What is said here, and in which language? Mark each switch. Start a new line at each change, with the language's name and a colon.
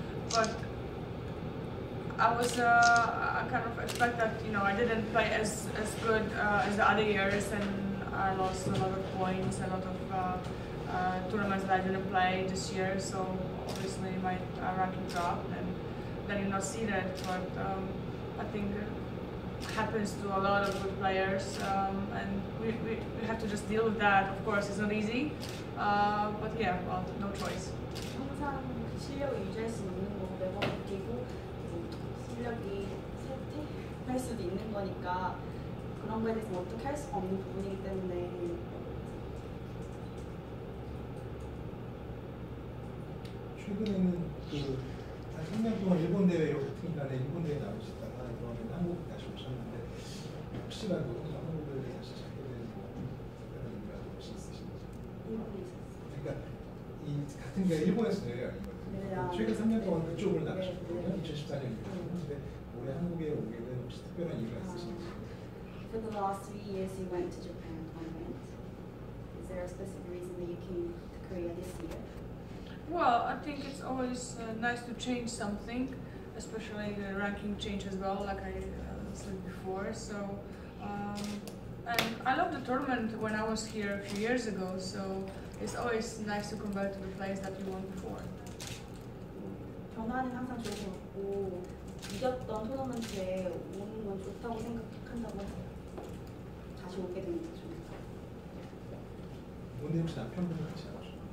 English: But I was I kind of expect that, you know, I didn't play as good as the other years, and I lost a lot of points, a lot of tournaments that I didn't play this year. So obviously, my ranking dropped, and then you not see that. But I think. Happens to a lot of good players, and we have to just deal with that. Of course, it's not easy, but yeah, well, no choice.
Korean: 항상 실력을 유지할 수 있는 거고 매번 느끼고 실력이 쇠퇴할 수도 있는 거니까 그런 거에 대해서 어떻게 할 수 없는 부분이기 때문에. (웃음) 일본 대회 같은 기간에 일본 대회 나오셨다가 이번에 한국 다시 오셨는데 혹시 말고 한국을 다시 찾게 된 그런 의미라도 혹시 있으신가요? 일본에 있었어요. 그러니까 이 같은 기간에 일본에서 대회 아닌 것 같아요. 최근 3년 동안 그쪽으로 나가셨거든요. 2014년이니까. 근데 올해 한국에 오게 된 혹시 특별한 이유가 있으신가요?
English: For the last 3 years you went to Japan tournament. Is there a specific reason that you came to Korea this year? Well, I think it's always nice to change something, especially the ranking change as well, like I said before. So, and I love the tournament when I was here a few years ago, so it's always nice to come back to the place that you won before.
Korean: 변화는 항상 좋고 이겼던 토너먼트에 오는 건 좋다고 생각한다고 다시 오게 되는 게 좋네요. 오늘 혹시 남편분 같이 하죠?